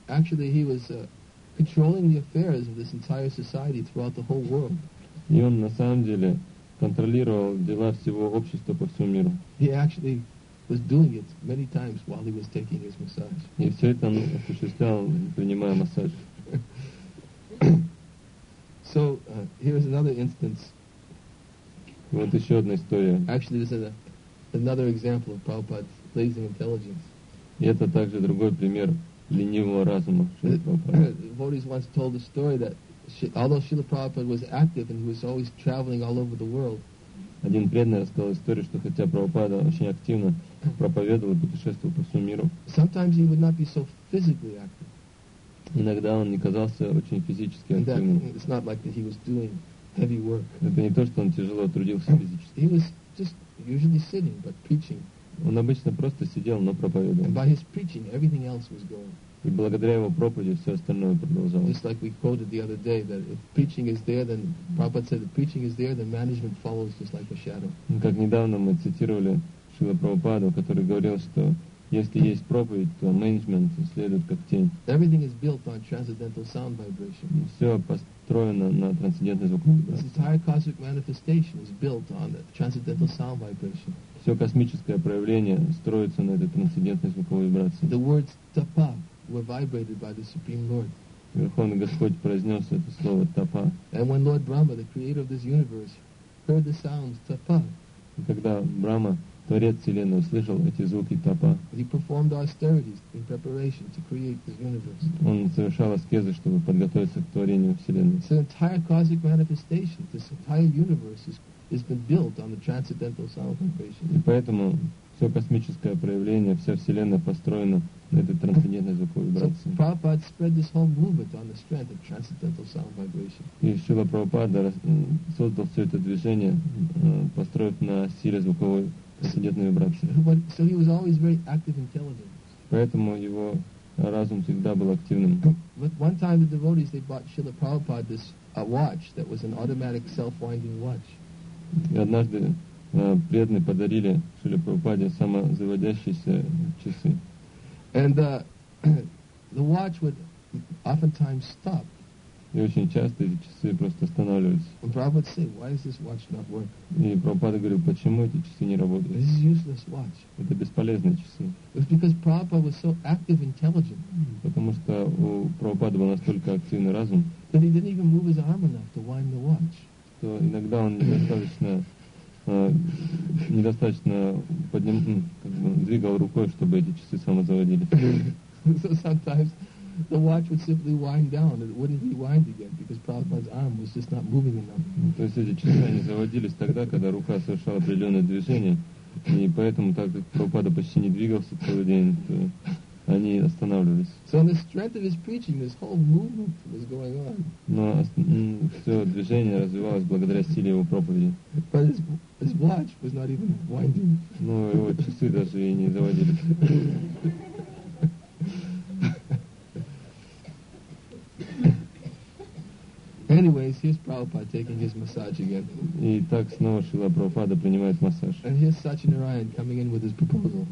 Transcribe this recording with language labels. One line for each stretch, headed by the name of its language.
English: And he was controlling the affairs of this entire society throughout the whole world.
Russian: И он на самом деле контролировал дела всего общества по всему миру.
English: He actually was doing it many times while he was taking his massage.
Russian: И все это он осуществлял, принимая массаж.
English: So here is another instance.
Russian: Вот еще одна история.
English: Actually, this is another example of Prabhupada's lazy intelligence.
Russian: И это также другой пример ленивого разума.
English: Devotees once told the story that although Srila Prabhupada was active and he was always traveling all over the world.
Russian: Один преданный рассказал историю, что хотя Прабхупада очень активно проповедовал, путешествовал по всему миру.
English: Sometimes he would not be so physically active.
Russian: Иногда он не казался очень физически активным.
English: It's not like that he was doing heavy work.
Russian: Это не то, что он тяжело трудился физически.
English: He was just usually sitting, but preaching.
Russian: Он обычно просто сидел, но проповедовал.
English: And by his preaching, everything else was going.
Russian: И благодаря его проповеди все остальное продолжалось.
English: Just like we quoted the other day, that if preaching is there, then Prabhupada said, if preaching is there, then management follows just like a shadow.
Russian: Как недавно мы цитировали Шрилу Прабхупаду, который говорил, что Если есть проповедь, то менеджмент следует как тень.
English: Everything is built on transcendental sound vibration.
Russian: Все построено на трансцендентной звуковой вибрации.
English: This entire cosmic manifestation is built on the transcendental sound vibration.
Russian: Все космическое проявление строится на этой трансцендентной звуковой вибрации.
English: The words tapa were vibrated by the Supreme Lord.
Russian: Верховный Господь произнес это слово тапа.
English: And when Lord Brahma, the creator of this universe, heard the sound tapa,
Russian: и когда Брама, Творец Вселенной, услышал эти звуки тапа,
English: he performed austerities in preparation to create this universe.
Russian: Он совершал аскезы, чтобы подготовиться к творению Вселенной.
English: So the entire cosmic manifestation, this entire universe, has been built on the transcendental sound vibration.
Russian: И поэтому все космическое проявление, вся Вселенная построена на этой трансцендентной звуковой вибрации.
English: So Prabhupada spread this whole movement on the strength of transcendental sound vibration.
Russian: И Шрила Прабхупада создал все это движение, построив на силе звуковой трансцендентной вибрации.
English: So he was always very active intelligence.
Russian: Поэтому его разум всегда был активным.
English: But one time the devotees, they bought Shrila Prabhupada this watch that was an automatic self-winding watch.
Russian: И однажды преданные подарили Шриле Прабхупаде самозаводящиеся часы.
English: And the watch would oftentimes stop.
Russian: И очень часто эти часы просто останавливаются.
English: And Prabhupada would say, why is this watch not work?
Russian: И Прабхупада говорил, почему эти часы не работают?
English: This is useless watch.
Russian: Это бесполезные часы.
English: It's because Prabhupada was so active intelligent.
Russian: Потому что у Прабхупады был настолько активный разум,
English: that he didn't even move his arm enough to wind the watch.
Russian: Что иногда он недостаточно двигал рукой, чтобы эти часы самозаводились.
English: So sometimes the watch would simply wind down and it wouldn't rewind again because Prabhupada's arm was just not moving enough.
Russian: То есть эти часы не заводились тогда, когда рука совершала определенное движение, и поэтому, так как Прабхупада почти не двигался целый день, то они останавливались.
English: So on the strength of his preaching, this whole movement was going on.
Russian: Но все движение развивалось благодаря силе его проповеди.
English: But his watch was not even winding.
Russian: Но его часы даже и не заводились.
English: Anyways, here's Prabhupada taking his massage again.
Russian: И так снова Шрила Прабхупада принимает массаж.
English: And here's Satyanarayan coming in with his proposal.